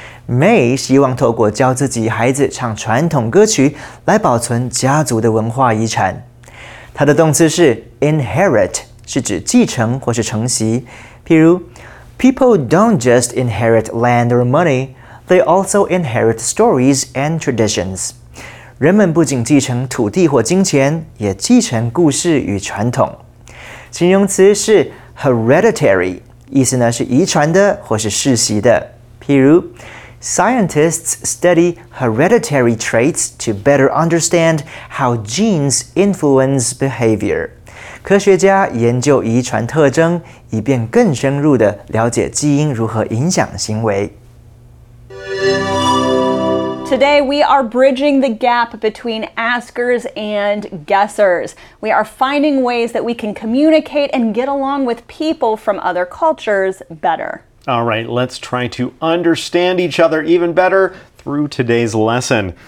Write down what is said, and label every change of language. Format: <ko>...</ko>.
<zh>May 希望透过教自己孩子唱传统歌曲来保存家族的文化遗产。它的动词是 inherit, 是指继承或是承袭。譬如</zh> <en>People don't just inherit land or money, they also inherit stories and traditions.</en> <zh>人们不仅继承土地或金钱，也继承故事与传统。形容词是 hereditary,意思呢是遗传的或是世袭的。譬如</zh> <en>Scientists study hereditary traits to better understand how genes influence behavior.</en> <zh>科学家研究遗传特征以便更深入地了解基因如何影响行为。</zh> <en>Today, we are bridging the gap between askers and guessers. We are finding ways that we can communicate and get along with people from other cultures better. All right, let's try to understand each other even better through today's lesson.</en>